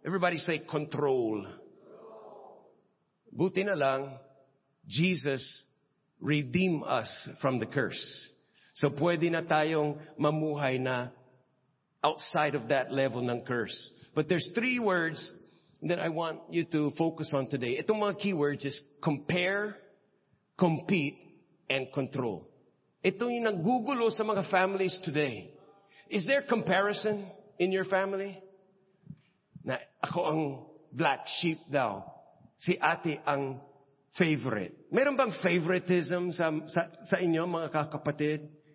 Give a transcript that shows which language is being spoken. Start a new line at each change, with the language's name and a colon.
English: Everybody say control.
Filipino: Buti na lang,
English: Jesus redeem us from the curse.
Filipino: So pwede na tayong mamuhay na
English: outside of that level
Filipino: ng curse.
English: But there's three words that I want you to focus on today.
Filipino: Itong mga
English: keywords is compare, compete, and control.
Filipino: Ito yung nagugulo sa mga families today.
English: Is there comparison in your family?
Filipino: Na ako ang black sheep daw. Si ate ang favorite. Meron bang favoritism sa inyo mga kakapatid?